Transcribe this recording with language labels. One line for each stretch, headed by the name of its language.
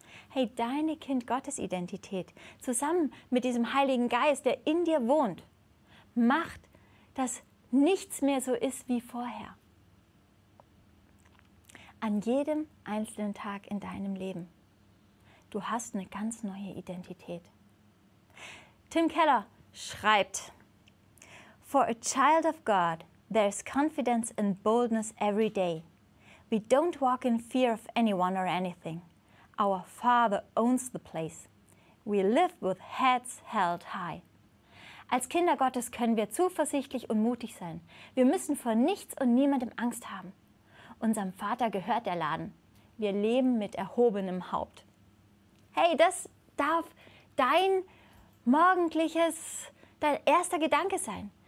German: Hey, deine Kind-Gottes-Identität zusammen mit diesem Heiligen Geist, der in dir wohnt, macht, dass nichts mehr so ist wie vorher. An jedem einzelnen Tag in deinem Leben, du hast eine ganz neue Identität.
English: Tim Keller schreibt, "For a child of God, there's confidence and boldness every day. We don't walk in fear of anyone or anything. Our Father owns the place. We live with heads held high."
German: Als Kinder Gottes können wir zuversichtlich und mutig sein. Wir müssen vor nichts und niemandem Angst haben. Unserem Vater gehört der Laden. Wir leben mit erhobenem Haupt. Hey, das darf dein morgendliches, dein erster Gedanke sein.